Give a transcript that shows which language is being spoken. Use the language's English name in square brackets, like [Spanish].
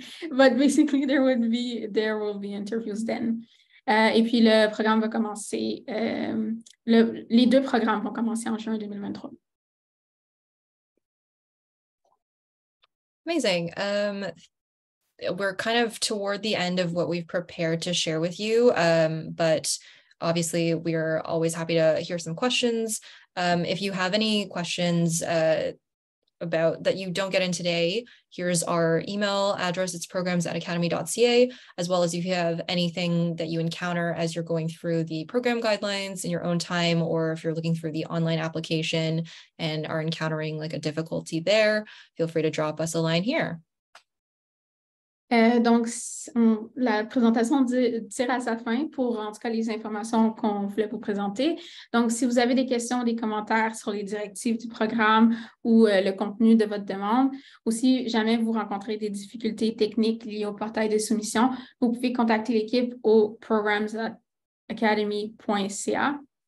[English] But basically there will be interviews then. [French] Et puis le programme va commencer, les deux programmes vont commencer en juin 2023. [English] Amazing. We're kind of toward the end of what we've prepared to share with you, but obviously we're always happy to hear some questions. If you have any questions about that you don't get in today, here's our email address. It's programs@academy.ca, as well as if you have anything that you encounter as you're going through the program guidelines in your own time, or if you're looking through the online application and are encountering like a difficulty there, feel free to drop us a line here. [French] Donc, la présentation tire à sa fin pour, en tout cas, les informations qu'on voulait vous présenter. Donc, si vous avez des questions ou des commentaires sur les directives du programme ou le contenu de votre demande, ou si jamais vous rencontrez des difficultés techniques liées au portail de soumission, vous pouvez contacter l'équipe au programs@academy.ca.